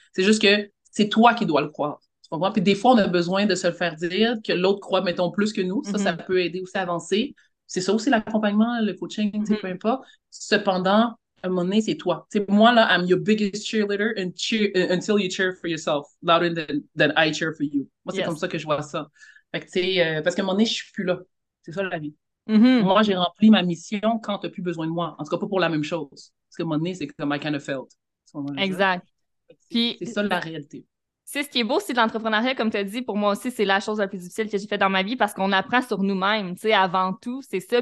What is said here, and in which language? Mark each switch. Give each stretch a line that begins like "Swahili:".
French: C'est juste que c'est toi qui dois le croire. Tu comprends? Puis, des fois, on a besoin de se le faire dire, que l'autre croit, mettons, plus que nous. Ça peut aider aussi à avancer. C'est ça aussi l'accompagnement, le coaching, c'est peu importe. Cependant, à un moment donné, c'est toi. T'sais, moi, là,
English: I'm your biggest cheerleader until you cheer for yourself, louder than I cheer for you.
French: Moi, c'est comme ça que je vois ça. Fait que, t'sais, parce qu'à un moment donné, je ne suis plus là. C'est ça la vie. Moi, j'ai rempli ma mission quand tu n'as plus besoin de moi. En tout cas, pas pour la même chose. Parce qu'à un moment donné, c'est comme
English: I kind of failed.
French: Exact. C'est ça la réalité. C'est ce qui est beau, c'est l'entrepreneuriat, comme tu as dit. Pour moi aussi, c'est la chose la plus difficile que j'ai faite dans ma vie parce qu'on apprend sur nous-mêmes, tu sais, avant tout, c'est ça.